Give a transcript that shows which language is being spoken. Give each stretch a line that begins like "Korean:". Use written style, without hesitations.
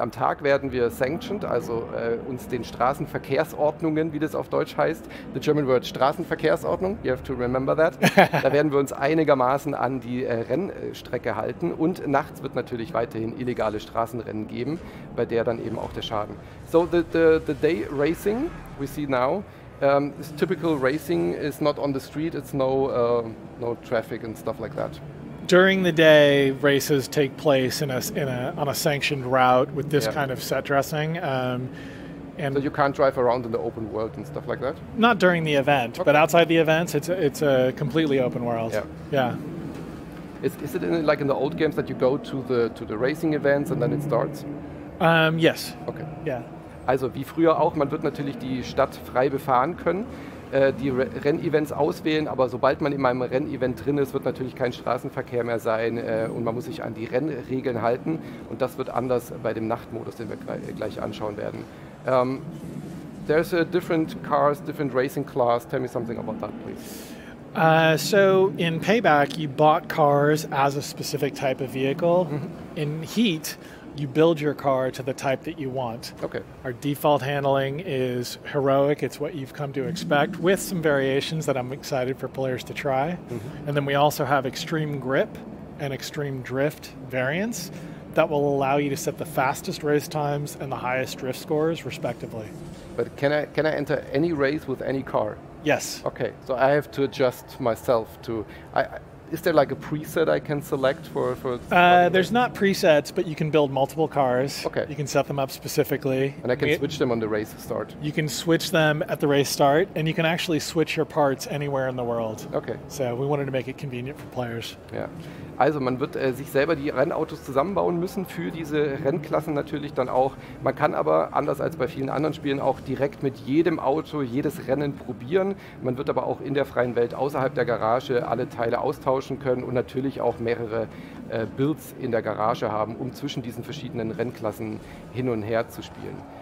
German: Am Tag werden wir sanctioned, also uns den Straßenverkehrsordnungen, wie das auf Deutsch heißt,
English: the German word
German: Straßenverkehrsordnung,
English: you have to remember that.
German: Da werden wir uns einigermaßen an die Rennstrecke halten. Und nachts wird natürlich weiterhin illegale Straßenrennen geben, bei der dann eben auch der Schaden.
English: So the day racing we see now. This typical racing is not on the street, it's no traffic and stuff like that. During the day, races take place on a sanctioned route with this kind of set dressing. And so you can't drive around in the open world and stuff like that? Not during the event, but outside the events, it's a completely open world. Yeah. Is it like in the old games that you go to the racing events and then it starts? Yes. Okay. Yeah.
German: Also wie früher auch, man wird natürlich die Stadt frei befahren können, die Rennevents auswählen, aber sobald man in einem Rennevent drin ist, wird natürlich kein Straßenverkehr mehr sein und man muss sich an die Rennregeln halten und das wird anders bei dem Nachtmodus, den wir gleich anschauen werden.
English: There's a different cars, different racing class, tell me something about that, please. So in Payback, you bought cars as a specific type of vehicle. Mm-hmm. In Heat, you build your car to the type that you want. Okay. Our default handling is heroic. It's what you've come to expect with some variations that I'm excited for players to try. Mm-hmm. And then we also have extreme grip and extreme drift variants that will allow you to set the fastest race times and the highest drift scores respectively. But can I enter any race with any car? Yes. Okay. So I have to adjust myself to... Is there like a preset I can select for there's not presets, but you can build multiple cars. Okay. You can set them up specifically. And I can switch them on the race start. You can switch them at the race start, and you can actually switch your parts anywhere in the world. Okay. So we wanted to make it convenient for players. Yeah.
German: Also man wird sich selber die Rennautos zusammenbauen müssen für diese Rennklassen natürlich dann auch. Man kann aber, anders als bei vielen anderen Spielen, auch direkt mit jedem Auto jedes Rennen probieren. Man wird aber auch in der freien Welt außerhalb der Garage alle Teile austauschen können und natürlich auch mehrere Builds in der Garage haben, um zwischen diesen verschiedenen Rennklassen hin und her zu spielen.